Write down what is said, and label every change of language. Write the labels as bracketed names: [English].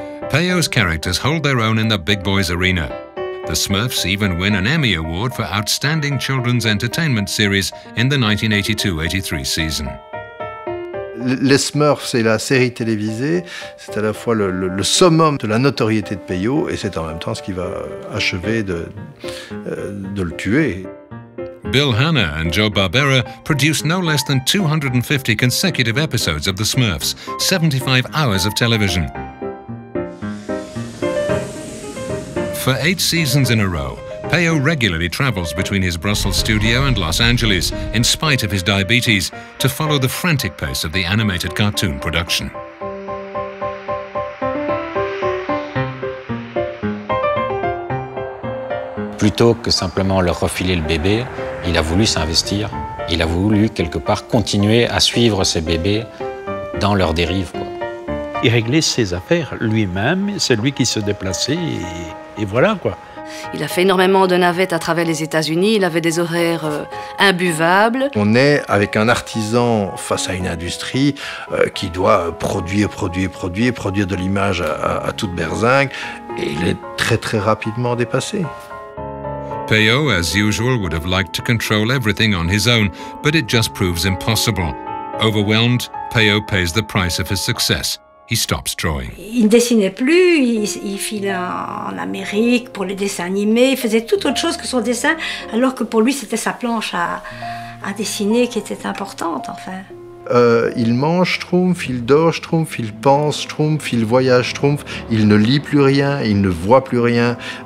[English] Peyo's characters hold their own in the big boys' arena. The Smurfs even win an Emmy Award for Outstanding Children's Entertainment Series in the 1982-83 season. [French] Les Smurfs et la série télévisée, c'est à la fois le summum de la notoriété de Peyo et c'est en même temps ce qui va achever de le tuer. [English] Bill Hanna and Joe Barbera produced no less than 250 consecutive episodes of The Smurfs, 75 hours of television. For 8 seasons in a row, Peyo regularly travels between his Brussels studio and Los Angeles, in spite of his diabetes, to follow the frantic pace of the animated cartoon production. [French] Plutôt que simplement leur refiler le bébé, il a voulu s'investir, il a voulu quelque part continuer à suivre ses bébés dans leur dérive. Quoi. Il réglait ses affaires lui-même, c'est lui qui se déplaçait et voilà quoi. Il a fait énormément de navettes à travers les États-Unis, il avait des horaires imbuvables. On est avec un artisan face à une industrie qui doit produire de l'image à toute berzingue et il est très très rapidement dépassé. [English] Peyo, as usual, would have liked to control everything on his own, but it just proves impossible. Overwhelmed, Peyo pays the price of his success. He stops drawing. [French] Il ne dessinait plus, il filait en Amérique pour les dessins animés, il faisait tout autre chose que son dessin, alors que pour lui, c'était sa planche à dessiner qui était importante, enfin. Il mange Schtroumpf, il dort Schtroumpf, il pense Schtroumpf, il voyage Schtroumpf, il ne lit plus rien, il ne voit plus rien.